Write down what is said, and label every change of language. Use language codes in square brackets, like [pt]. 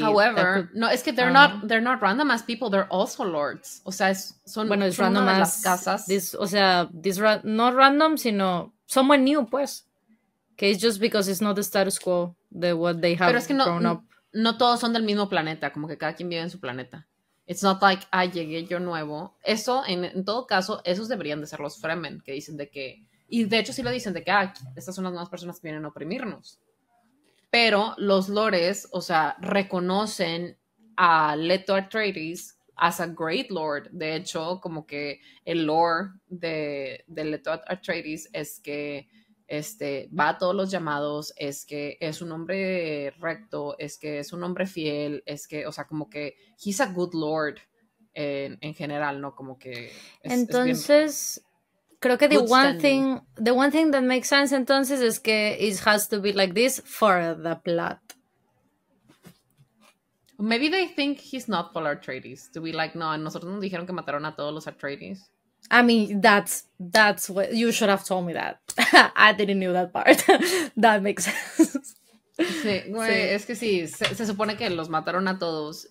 [en] however, [es] no, es que [en] they're not random as people, they're also lords. [es] O sea, son, bueno, son random [en] as [es] las casas. [en] This, [es] o sea, [en] this no random, sino someone new, pues. Que it's just because it's not the status quo de what they have grown [es] up. Pero es que no todos son del mismo planeta, como que cada quien vive en su planeta. [en] It's not like, [es] ah, llegué yo nuevo. Eso, en todo caso, esos deberían de ser los Fremen, que dicen de que, y de hecho sí lo dicen, de que, ah, estas son las nuevas personas que vienen a oprimirnos. Pero los lores, o sea, reconocen a Leto Atreides [en] as a great lord. [es] De hecho, como que el lore de Leto Atreides es que va a todos los llamados, es que es un hombre recto, es que es un hombre fiel, es que, o sea, como que [en] he's a good lord [es] en general, ¿no? Como que entonces, creo que [en] the one thing that makes sense [es] entonces es que [en] it has to be like this for the plot. Maybe they think he's not for Atreides. To be like, [es] no, nosotros nos dijeron que mataron a todos los Atreides. [en] I mean, that's what you should have told me that. I didn't know that part. That makes sense. [es] Sí, güey, sí. Es que sí, se supone que los mataron a todos